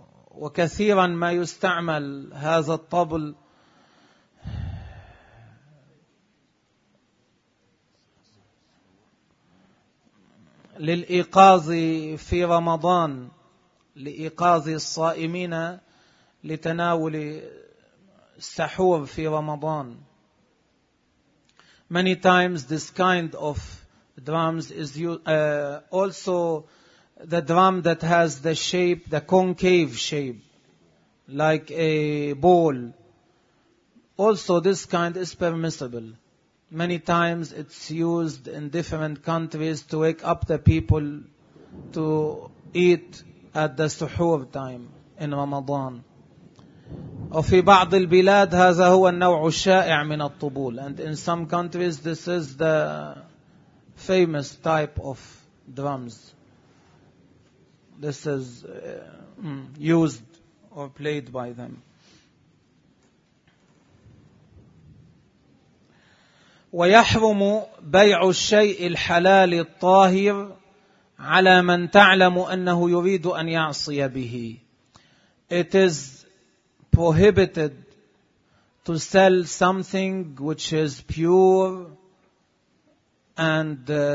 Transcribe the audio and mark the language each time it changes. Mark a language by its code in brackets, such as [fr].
[ar] وكثيرا ما يستعمل هذا الطبل للإيقاظ في رمضان، لإيقاظ الصائمين لتناول السحور في رمضان. [en] Many times this kind of drums is used, also the drum that has the shape, the concave shape, like a bowl. Also this kind is permissible. Many times it's used in different countries to wake up the people to eat at the suhoor time in Ramadan. [ar] وفي بعض البلاد هذا هو النوع الشائع من الطبول. [en] And in some countries this is the famous type of drums. This is used or played by them. [ar] ويحرم بيع الشيء الحلال الطاهر على من تعلم أنه يريد أن يعصي به. [en] It is prohibited to sell something which is pure and